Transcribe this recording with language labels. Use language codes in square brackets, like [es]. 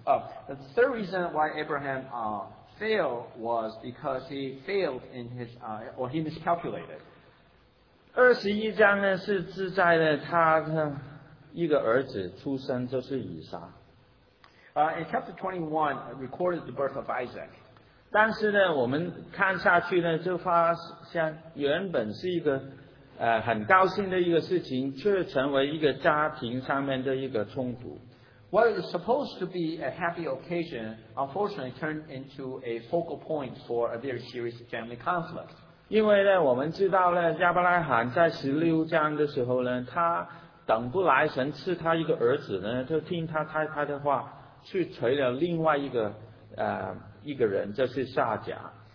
[en] The third reason why Abraham failed was because he failed in his or he miscalculated. [zh] 二十一章呢是记载的他的。一个儿子出生就是以撒。 [en] In chapter 21, recorded the birth of Isaac. [zh] 但是呢，我们看下去呢，就发现原本是一个很高兴的一个事情，却成为一个家庭上面的一个冲突。 [en] What is supposed to be a happy occasion, unfortunately turned into a focal point for a very serious family conflict. [zh] 因为呢，我们知道呢，亚伯拉罕在十六章的时候呢，他等不来神赐他一个儿子呢，就听他太太的话，去娶了另外一个一个人，就是撒甲。